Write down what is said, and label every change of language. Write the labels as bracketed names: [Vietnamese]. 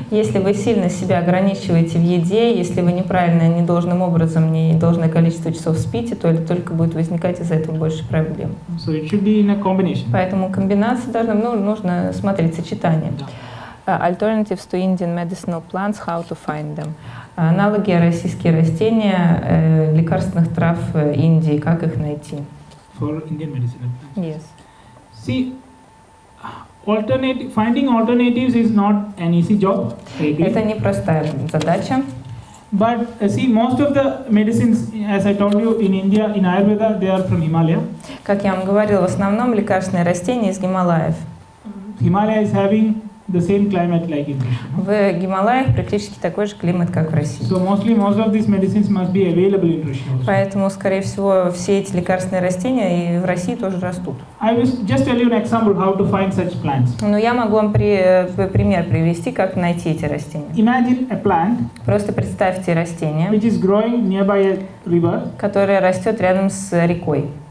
[Russian] Если вы сильно себя ограничиваете в еде, если вы неправильно, не должным образом, не должное количество часов спите, то это только будет возникать из-за этого больше проблем. [English] So it should be in a combination. [Russian] Поэтому комбинация должна, ну, нужно смотреть сочетание. [English] Alternatives to Indian medicinal plants, how to find them? [Russian] Аналоги российские растения лекарственных трав Индии, как их найти? [English] For Indian medicinal plants. Yes. See, finding alternatives is not an easy job. [Russian] Это непростая задача. [English] But see, most of the medicines, as I told you, in India, in Ayurveda, they are from Himalaya. [Russian] Как я вам говорил, в основном лекарственные растения из Гималаев. [English] Himalaya is having the same climate like in Russia. [Russian] В Гималаях практически такой же климат, как в России. [English] So mostly most of these medicines must be available in Russia. Also. [Russian] Поэтому, скорее всего, все эти лекарственные растения и в России тоже растут. [English] I will just tell you an example how to find such plants. [Russian] Ну, я могу вам пример привести, как найти эти растения. [English] Imagine a plant. [Russian] Просто представьте растение, [English] which is growing nearby a river. [Russian] Которое растет рядом с рекой.